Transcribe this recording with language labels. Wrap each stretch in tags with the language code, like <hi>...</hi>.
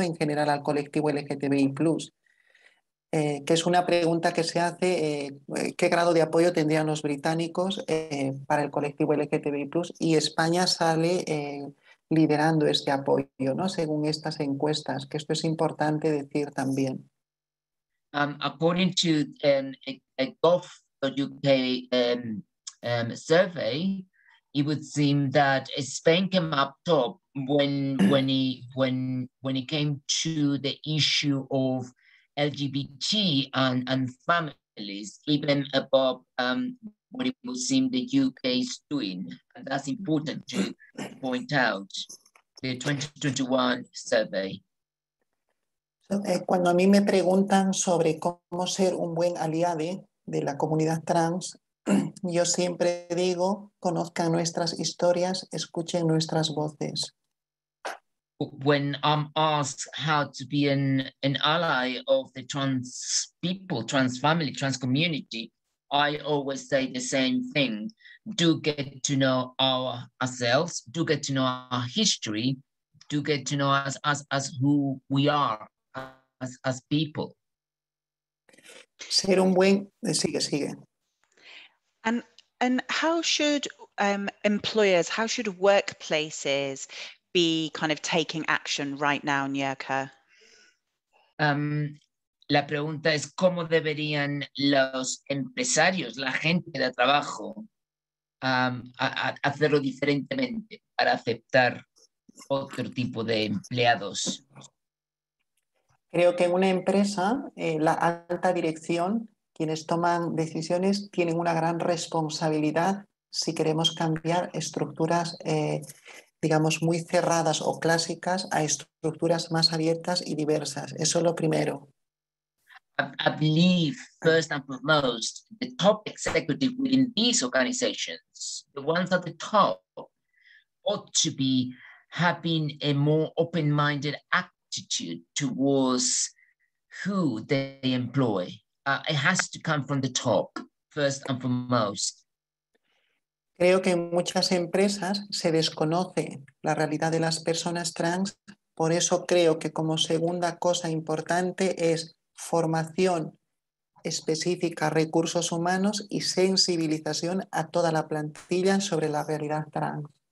<es>En general al colectivo LGTBI+. Que es una pregunta que se hace, ¿qué grado de apoyo tendrían los británicos para el colectivo LGTBI+? Y España sale liderando este apoyo, ¿no? Según estas encuestas, que esto es importante decir también.</es> <en>According to a gov.uk survey, it would seem that Spain came up top when it came to the issue of LGBT and families, even above what it would seem the UK is doing. And that's important to point out, the 2021 survey.</en> <es>Cuando a mí me preguntan sobre cómo ser un buen aliado de la comunidad trans, yo siempre digo, conozcan nuestras historias, escuchen nuestras voces.</es> <en>When I'm asked how to be an ally of the trans people, trans family, trans community, I always say the same thing. Do get to know ourselves, do get to know our history, do get to know us as who we are. As people.</en> <es>Ser un buen... Sigue.</es> <en>And how should employers, how should workplaces be kind of taking action right now, Nyerka?</en> <es>La pregunta es, ¿cómo deberían los empresarios, la gente de trabajo, hacerlo diferentemente para aceptar otro tipo de empleados? Creo que en una empresa, la alta dirección, quienes toman decisiones, tienen una gran responsabilidad si queremos cambiar estructuras, digamos, muy cerradas o clásicas a estructuras más abiertas y diversas. Eso es lo primero.</es> <en>I believe, first and foremost, the top executive within these organizations, the ones at the top, ought to be having a more open-minded attitude towards who they employ. It has to come from the top, first and foremost.</en> <es>Creo que en muchas empresas se desconoce la realidad de las personas trans. Por eso creo que como segunda cosa importante es formación específica, recursos humanos y sensibilización a toda la plantilla sobre la realidad trans.</es>